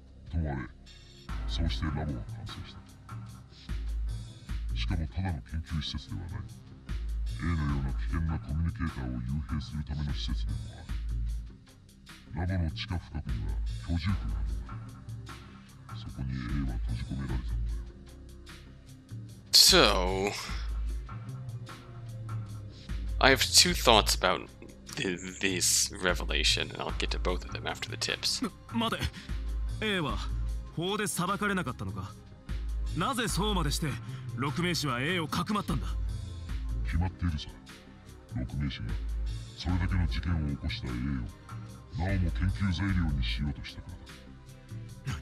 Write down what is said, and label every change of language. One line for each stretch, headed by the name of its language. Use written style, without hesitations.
Japanese: ともあれ、そうしてラボは完成した。しかもただの研究施設ではない、 A のような危険なコミュニケーターを幽閉するための施設でもある。ラボの地下深くには居住区があるんだ。そこに A は閉じ込められたんだよ。
English: So I have two thoughts about this revelation, and I'll get to both of them after the tips. Mate!
Japanese: A は法で裁かれなかったのか。なぜそうまでして六名士は A をかくまったんだ。決まっているさ。六名士がそれだけの事件を起こした A をなおも研究材料にしようとしたからだ。